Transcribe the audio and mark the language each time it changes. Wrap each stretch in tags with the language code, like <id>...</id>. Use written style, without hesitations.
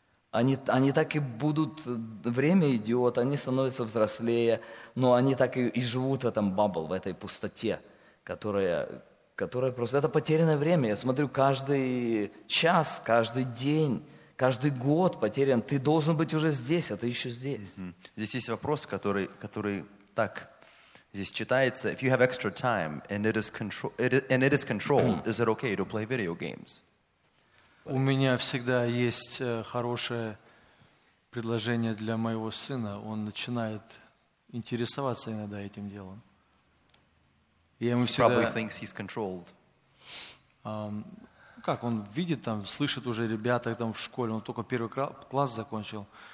<ru>Они так и будут, время идет, они становятся взрослее, но они так и живут в этом бабл, в этой пустоте, которая просто... Это потерянное время. Я смотрю, каждый час, каждый день... Каждый год потерян. Ты должен быть уже здесь, а ты еще здесь. Здесь есть вопрос, который так здесь читается.</ru> <en>If you have extra time and it is controlled, is it okay to play video games?</en> <ru>У меня всегда есть хорошее предложение для моего сына. Он начинает интересоваться иногда этим делом. Я ему всегда...</ru> <en>Probably thinks he's controlled.</en> <ru>Как он видит там, слышит уже ребята там в школе, он только первый класс закончил.</ru>